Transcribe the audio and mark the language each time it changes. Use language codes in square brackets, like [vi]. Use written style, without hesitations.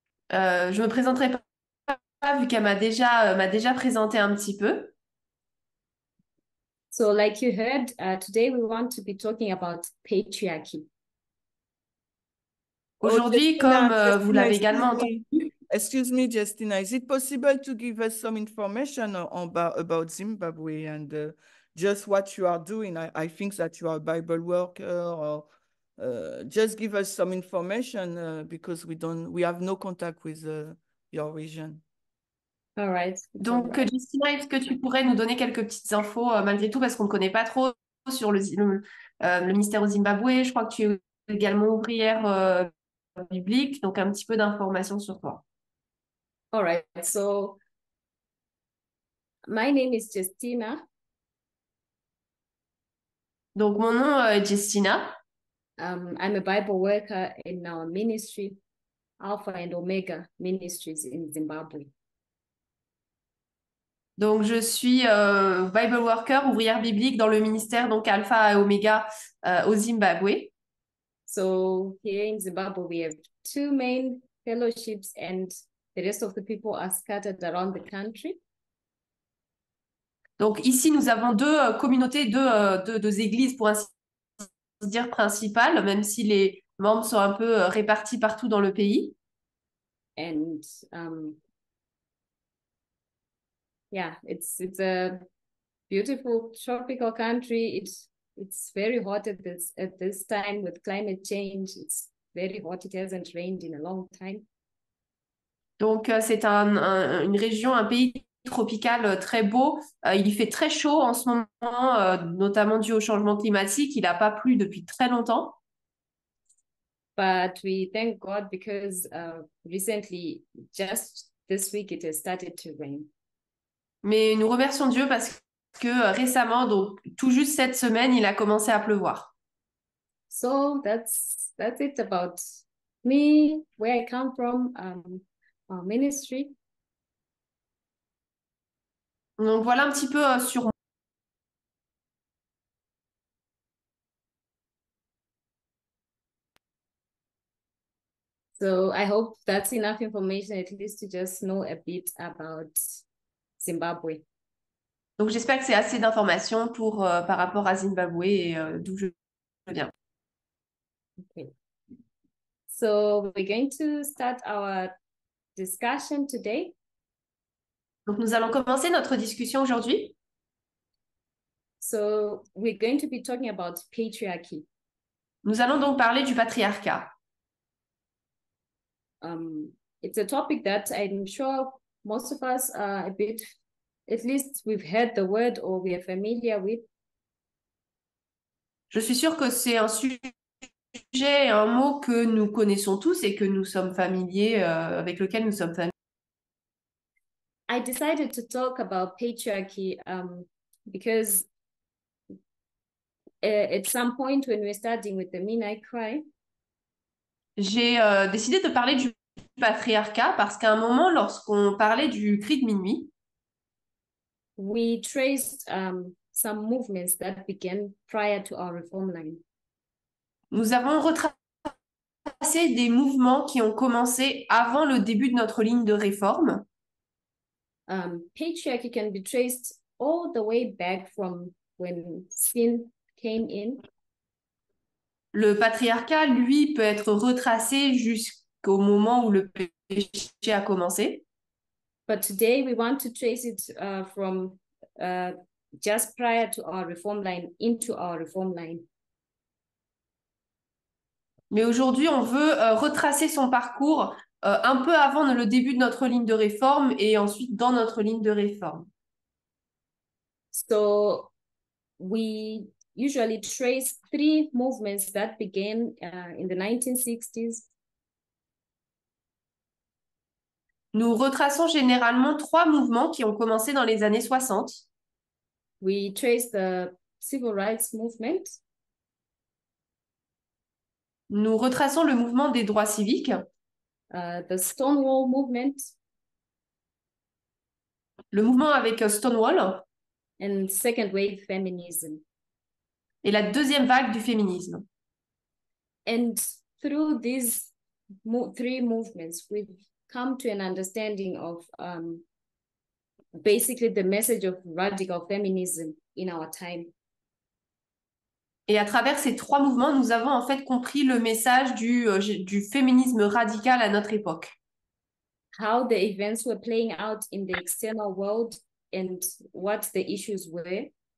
[fr] Je me présenterai pas vu qu'elle m'a déjà présenté un petit peu. [en] So, like you heard, today we want to be talking about patriarchy. [fr] Aujourd'hui, comme vous l'avez également entendu. [en] Excuse me, Justina, is it possible to give us some information about Zimbabwe and just what you are doing? I think that you are a Bible worker. Just give us some information because we have no contact with your region. All right. [fr] Donc, Justina, est-ce que tu pourrais nous donner quelques petites infos malgré tout parce qu'on ne connaît pas trop sur le ministère au Zimbabwe? Je crois que tu es également ouvrière. Public, donc un petit peu d'informations sur toi. [en] All right, so my name is Justina. [fr] Donc mon nom est Justina. [en] I'm a Bible worker in our ministry, Alpha and Omega Ministries in Zimbabwe. [fr] Donc je suis Bible worker, ouvrière biblique dans le ministère donc Alpha et Omega au Zimbabwe. [en] So here in Zimbabwe, we have two main fellowships and the rest of the people are scattered around the country. [fr] Donc ici, nous avons deux communautés, deux églises pour ainsi dire principales, même si les membres sont un peu répartis partout dans le pays. [en] And yeah, it's a beautiful tropical country. It's very hot at this time with climate change. It's very hot. It hasn't rained in a long time. [fr] Donc, c'est une région, un pays tropical très beau. Il y fait très chaud en ce moment, notamment dû au changement climatique. Il n'a pas plu depuis très longtemps. [en] But we thank God because recently, just this week, it has started to rain. [fr] Mais nous remercions Dieu parce que récemment, donc tout juste cette semaine, il a commencé à pleuvoir. [en] So that's it about me, where I come from. Our ministry. [fr] Donc voilà un petit peu sur [en] So I hope that's enough information at least to just know a bit about Zimbabwe. [fr] Donc j'espère que c'est assez d'informations pour par rapport à Zimbabwe et d'où je viens. [en] Okay. So we're going to start our discussion today. [fr] Donc nous allons commencer notre discussion aujourd'hui. [en] So we're going to be talking about patriarchy. [fr] Nous allons donc parler du patriarcat. [en] It's a topic that I'm sure most of us are a bit, at least we've heard the word or we are familiar with. [fr] Je suis sûre que c'est un sujet. J'ai un mot que nous connaissons tous et que nous sommes familiers, avec lequel nous sommes familiers. [en] I decided to talk about patriarchy because at some point when we're studying with the Mean I Cry. [fr] J'ai décidé de parler du patriarcat parce qu'à un moment, lorsqu'on parlait du cri de minuit, [en] we traced some movements that began prior to our reform line. [fr] Nous avons retracé des mouvements qui ont commencé avant le début de notre ligne de réforme. [en] Patriarchy can be traced all the way back from when sin came in. [fr] Le patriarcat, lui, peut être retracé jusqu'au moment où le péché a commencé. [en] But today we want to trace it from just prior to our reform line into our reform line. [fr] Mais aujourd'hui, on veut retracer son parcours un peu avant le début de notre ligne de réforme et ensuite dans notre ligne de réforme. [en] So we usually trace three movements that began in the 1960s. [fr] Nous retraçons généralement trois mouvements qui ont commencé dans les années 60. [en] We trace the civil rights movement. [fr] Nous retraçons le mouvement des droits civiques, [en] The Stonewall movement. [fr] le mouvement avec Stonewall [en] And second wave feminism. [fr] et la deuxième vague du féminisme. [en] And through these mo three movements, we've come to an understanding of basically the message of radical feminism in our time. [fr] Et à travers ces trois mouvements, nous avons en fait compris le message du féminisme radical à notre époque. [en] How the events were playing out in the external world and what the issues were.